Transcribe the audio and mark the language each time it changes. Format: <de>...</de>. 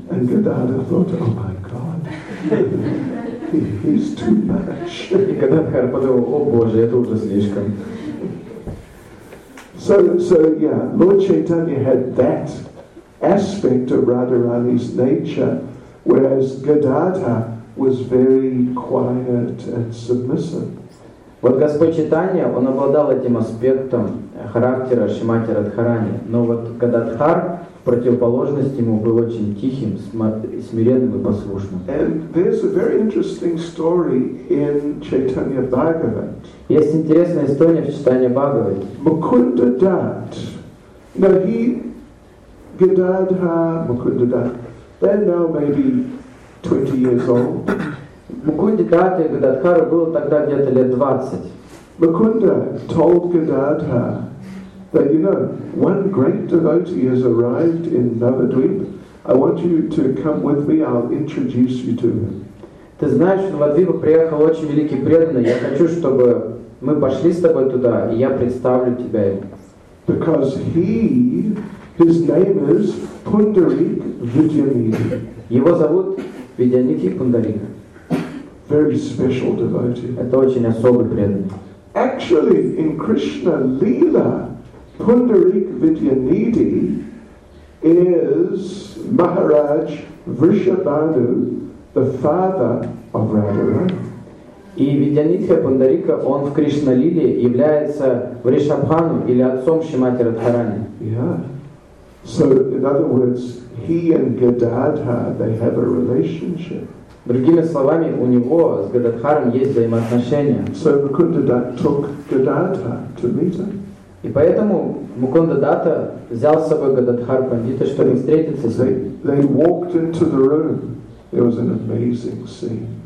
<en>And Gadadhara thought, oh my God, he's too much.</en> <ru>И Гададхар подумал, о боже, это уже слишком.</ru> <en>So yeah, Lord Chaitanya had that aspect of Radharani's nature, whereas Gadadhara was very quiet and submissive.</en> <ru>Вот Господь Читания, он обладал этим аспектом характера Шримати Радхарани, но вот Гададхар противоположность ему был очень тихим, смиренным и послушным.</ru> <en>And there's a very interesting story in Chaitanya Bhagavat.</en> <ru>Есть интересная история в Чайтанье Бхагавате.</ru> <en>Mukunda Dutt. Now he, Gadadha Mukunda Dutt. Then now maybe 20 years old.</en> <ru>Mukunda Dutt и Гададхару было тогда где-то лет 20.</ru> <en>Mukunda told Gadadha that, you know, one great devotee has arrived in Navadvip. I want you to come with me. I'll introduce you to him.</en> <ru>Ты знаешь, в Навадвипу приехал очень великий преданный. Я хочу, чтобы мы пошли с тобой туда, и я представлю тебя им.</ru> <en>Because his name is Pundarik Vidyanidhi.</en> <ru>Его зовут Vidyanidhi Pundarik.</ru> <en>Very special devotee.</en> <ru>Это очень особый преданный.</ru> <en>Actually, in Krishna Lila, Pundarik Vidyanidhi is Maharaj Vrishabhanu, the father of Radharani.</en> <ru>И Vidyanidhi Pundarika, он в Кришна Лиле является Вришабхану или отцом Шримати Радхарани.</ru> <en>So in other words, he and Gadadha, they have a relationship.</en> <ru>Другими словами, у него с Гададхаром есть взаимоотношения.</ru> <en>So Mukunda Dutt took Gadadha to meet him.</en> <ru>И поэтому Mukunda Dutt взял с собой Гададхар Пандита, чтобы встретиться с ним.</ru> <en>They walked into the room. It was an amazing scene.</en>